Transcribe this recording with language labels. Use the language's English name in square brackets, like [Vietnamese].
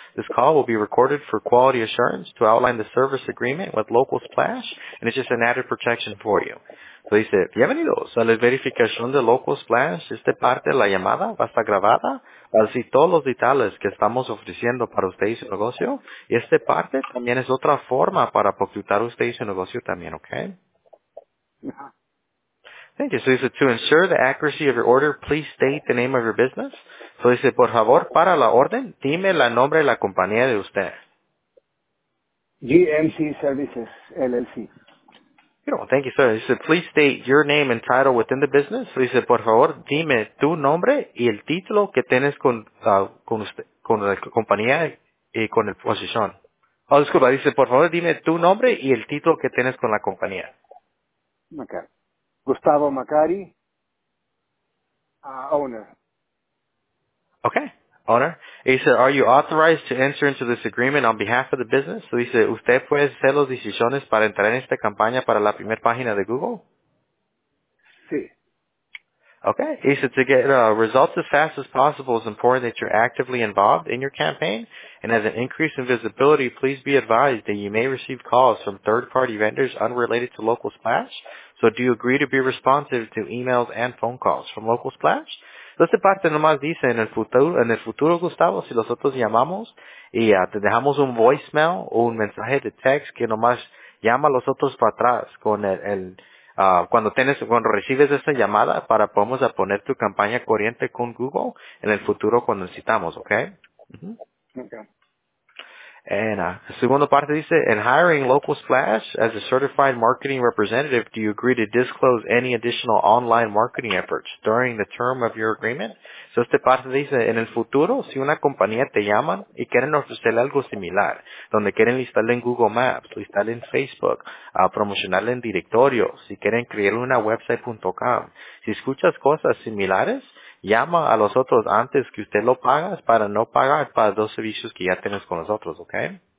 [English] This call will be recorded for quality assurance to outline the service agreement with Local Splash, and it's just an added protection for you. [Spanish] So dice, bienvenidos a la verificación de Local Splash. Esta parte de la llamada va a estar grabada. Va a decir todos los detalles que estamos ofreciendo para usted y su negocio. Y esta parte también es otra forma para ocultar usted y su negocio también, okay? [English] Thank you. So he said, to ensure the accuracy of your order, please state the name of your business. So he said, [Spanish] por favor, para la orden, dime la nombre de la compañía de usted. [English] GMC Services, LLC. Beautiful. Thank you, sir. He said, please state your name and title within the business. So he said, [Spanish] por favor, dime tu nombre y el título que tienes con usted, con la compañía y con el posición. [English] Oh, disculpa. He said, [Spanish] por favor, dime tu nombre y el título que tienes con la compañía. [English] Macari. Gustavo Macari, owner. Okay, owner. He said, are you authorized to enter into this agreement on behalf of the business? So he said, [Spanish] ¿usted puede hacer las decisiones para entrar en esta campaña para la primera página de Google? Sí. [English] Okay, he said, to get results as fast as possible, it's important that you're actively involved in your campaign. And as an increase in visibility, please be advised that you may receive calls from third-party vendors unrelated to Local Splash. So do you agree to be responsive to emails and phone calls from Local Splash? [Spanish] Entonces, parte nomás dice, en el futuro, Gustavo, si nosotros llamamos y te dejamos un voicemail o un mensaje de text que nomás llama a los otros para atrás con cuando recibes esta llamada para podemos a poner tu campaña corriente con Google en el futuro cuando necesitamos, ¿ok? Uh-huh. [English] Okay. [Spanish] Segunda parte dice, [English] in hiring Local Splash as a certified marketing representative, do you agree to disclose any additional online marketing efforts during the term of your agreement? [Spanish] So esta parte dice, en el futuro, si una compañía te llama y quieren ofrecerle algo similar, donde quieren listarle en Google Maps, listarle en Facebook, a promocionarle en directorio, si quieren crearle una website.com, si escuchas cosas similares, llama a los otros antes que usted lo pagas para no pagar para dos servicios que ya tienes con nosotros, ¿ok?